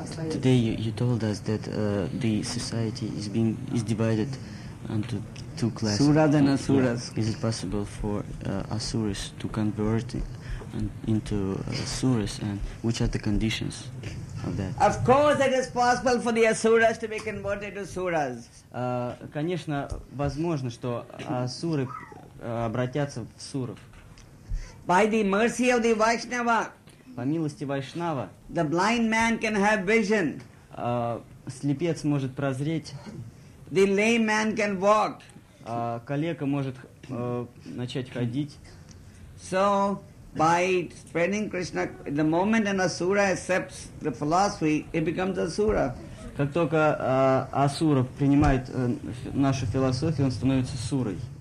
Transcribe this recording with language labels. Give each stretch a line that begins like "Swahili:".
English: today you told us that the society is divided into two classes. Suras and asuras. Is it possible for asuras to convert into suras, and which are the conditions of that? Of course, it is possible for the asuras to be converted to suras.
Russian: Конечно, возможно, что асуры обратятся в суров.
English: By the mercy of the Vaishnava.
Russian: По милости Вайшнава.
English: The blind man can have vision.
Russian: Слепец может прозреть.
English: The lame man can walk.
Russian: Калека может начать ходить.
English: So by spreading Krishna, the moment an asura accepts the philosophy, it becomes asura.
Russian: Как только асура принимает нашу философию, он становится сурой.